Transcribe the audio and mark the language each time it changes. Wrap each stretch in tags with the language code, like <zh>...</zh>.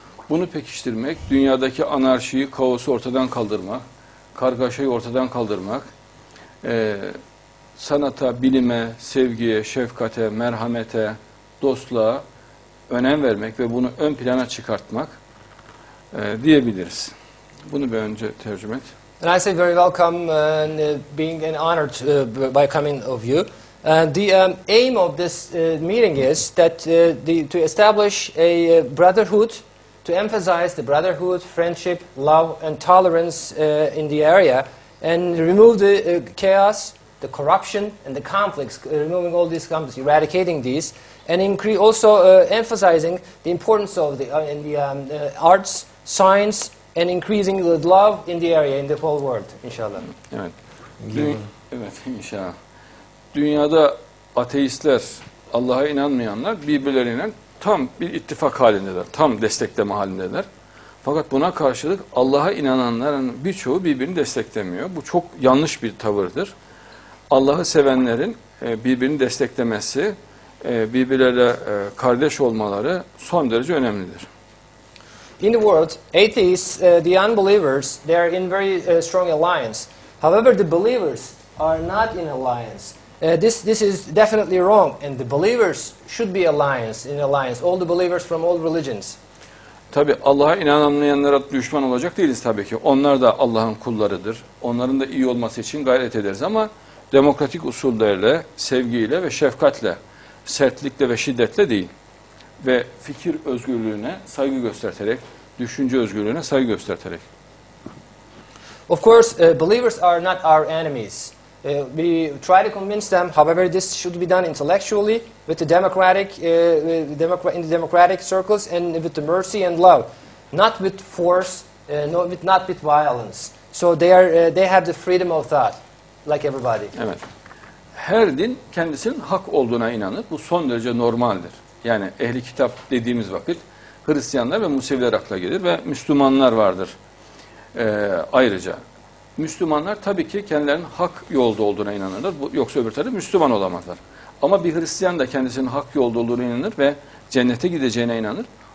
<tr>Bunu pekiştirmek, dünyadaki anarşiyi, kaosu ortadan kaldırmak, kargaşayı ortadan kaldırmak, sanata, bilime, sevgiye, şefkate, merhamete, dostluğa önem vermek ve bunu ön plana çıkartmak diyebiliriz. Bunu bir önce tercüme et.</tr> <en>And I say very welcome and being an honored by coming of you. The aim of this meeting is that to establish a brotherhood. To emphasize the brotherhood, friendship, love, and tolerance in the area, and remove the chaos, the corruption, and the conflicts, removing all these conflicts, eradicating these, and also emphasizing the importance of the arts, science, and increasing the love in the area, in the whole world, inshallah.</en> <tr>Evet, inşallah. Dünyada ateistler, Allah'a inanmayanlar birbirlerine tam bir ittifak halindeler, tam destekleme halindeler. Fakat buna karşılık Allah'a inananların birçoğu birbirini desteklemiyor. Bu çok yanlış bir tavırdır. Allah'ı sevenlerin birbirini desteklemesi, birbirlerine kardeş olmaları son derece önemlidir.</tr> <en>In the world, atheists, the unbelievers, they are in very strong alliance. However, the believers are not in alliance. This is definitely wrong, and the believers should be in alliance, all the believers from all religions.</en> <tr>Tabi Allah'a inanmayanlara düşman olacak değiliz tabii ki. Onlar da Allah'ın kullarıdır. Onların da iyi olması için gayret ederiz ama demokratik usullerle, sevgiyle ve şefkatle, sertlikle ve şiddetle değil. Ve fikir özgürlüğüne saygı göstererek, düşünce özgürlüğüne saygı göstererek.</tr> <en>Of course, believers are not our enemies. We try to convince them, however, this should be done intellectually with the democratic, in the democratic circles and with the mercy and love, not with force, not with violence. So they have the freedom of thought, like everybody.</en> <tr>Evet. Her din kendisinin hak olduğuna inanır. Bu son derece normaldir. Yani ehli kitap dediğimiz vakit Hristiyanlar ve Museviler akla gelir ve Müslümanlar vardır ayrıca. Müslümanlar tabii ki kendilerinin hak yolda olduğuna inanırlar. Yoksa öbür tarafı Müslüman olamazlar. Ama bir Hristiyan da kendisinin hak yolda olduğuna inanır ve cennete gideceğine inanır.</tr>